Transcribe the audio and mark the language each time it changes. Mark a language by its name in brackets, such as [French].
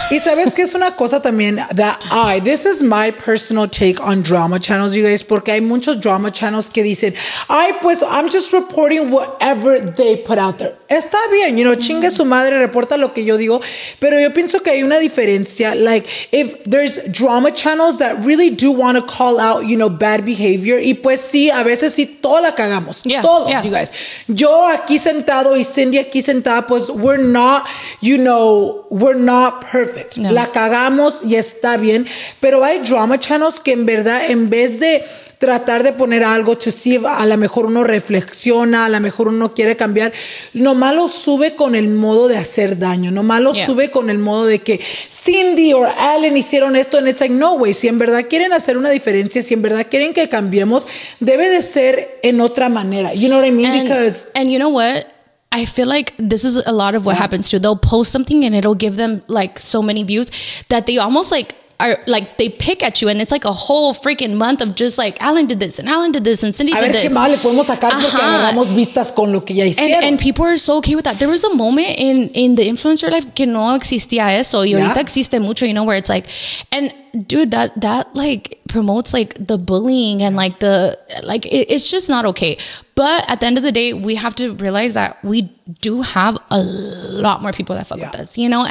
[Spanish] Y sabes que es una cosa también [English] that this is my personal take on drama channels, you guys, [Spanish] porque hay muchos drama channels que dicen, ay, pues, [English] I'm just reporting whatever they put out there. [Spanish] Está bien, [English] you know, [Spanish] chingue su madre, reporta lo que yo digo. Pero yo pienso que hay una diferencia. [English] Like, if there's drama channels that really do want to call out, you know, bad behavior. [Spanish] Y pues sí, a veces sí, todos la cagamos. [English] Yeah, todos, yeah. You guys. [Spanish] Yo aquí sentado y Cindy aquí sentada, pues [English] we're not, you know, we're not perfect. No. [Spanish] La cagamos y está bien. Pero hay drama channels que en verdad, en vez de tratar de poner algo [English] to see if [Spanish] a lo mejor uno reflexiona, a lo mejor uno quiere cambiar, nomás lo sube con el modo de hacer daño, nomás lo sube con el modo de que Cindy o Alan hicieron esto, [English] and it's like, no way, [Spanish] si en verdad quieren hacer una diferencia, si en verdad quieren que cambiemos, debe de ser en otra manera, [English] you know what I mean? And you know what? I feel like this is a lot of what happens too. They'll post something and it'll give them like so many views that they almost like are like they pick at you, and it's like a whole freaking month of just like Alan did this and Cindy did this. [Spanish] Qué más le podemos sacar porque agarramos vistas con lo que ya hicieron. [English] And people are so okay with that. There was a moment in the influencer life [Spanish] que no existía eso, y ahorita existe mucho, [English] you know, where it's like, and dude, that like promotes like the bullying and like the like it's just not okay. But at the end of the day, we have to realize that we do have a lot more people that fuck with us, you know.